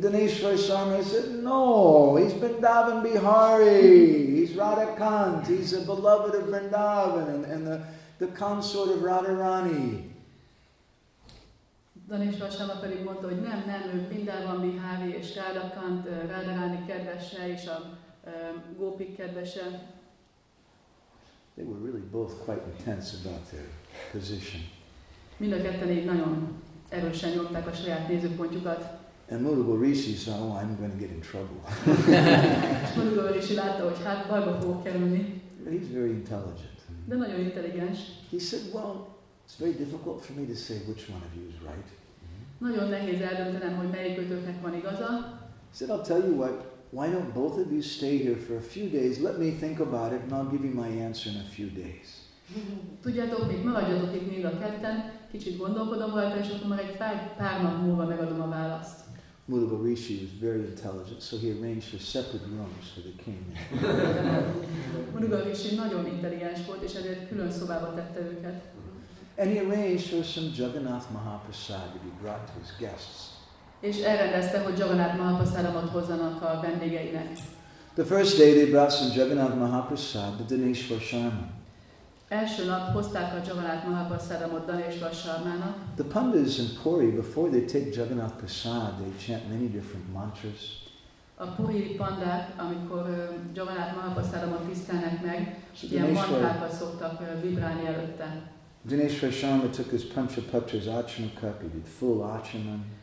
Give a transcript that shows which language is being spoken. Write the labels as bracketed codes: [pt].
[en] Dhaneshwar Sharma said, no, he's Vrindavan Bihari, he's Radhakant, he's a beloved of Vrindavan and the consort of Radharani. [hu] Dhaneshwar Sharma pedig mondta, hogy nem, ő Vrindavan Bihari és Radhakant, Radharani kedvese és a Gopik kedvese. [en] They were really both quite intense about their position. [hu] Mind a ketten így nagyon erősen nyomták a saját nézőpontjukat. [en] And Mudugal Rishi saw, oh, I'm going to get in trouble. [hu] Mudugal Rishi látta, hogy hát bajba fogok kerülni. [en] He's very intelligent. [hu] De nagyon intelligens. [en] He said, well, it's very difficult for me to say which one of you is right. [hu] Nagyon nehéz eldöntenem, hogy melyikőtöknek van igaza. [en] He said, I'll tell you what, why don't both of you stay here for a few days, let me think about it, and I'll give you my answer in a few days. [hu] Tudjátok mit, maradjatok itt még a ketten, kicsit gondolkodom rajta, és akkor már egy pár nap múlva megadom a választ. [en] Mudugal Rishi was very intelligent, so he arranged for separate rooms for the king. [hu] Mudugal Rishi nagyon intelligens volt, és ezért külön szobába tette őket. [en] And he arranged for some Jagannath Mahaprasad to be brought to his guests. [hu] És elrendezte, hogy Jagannath Mahaprasadamat hozzanak a vendégeinek. [en] The first day they brought some Jagannath Mahaprasad to Dhaneshwar Sharma. [hu] Első nap hozták a Jagannath Mahaprasadamot Dhaneshwar Sharmának. [en] The pandas in Puri, before they take Jagannath Prasad, they chant many different mantras. [hu] A Puri pandák, amikor Jagannath Mahaprasadamot tisztelnek meg, ilyen mantrákat szoktak vibrálni előtte. [en] Dhaneshwar Sharma took his Pancha Patra's Achana cup, he did full Achaman.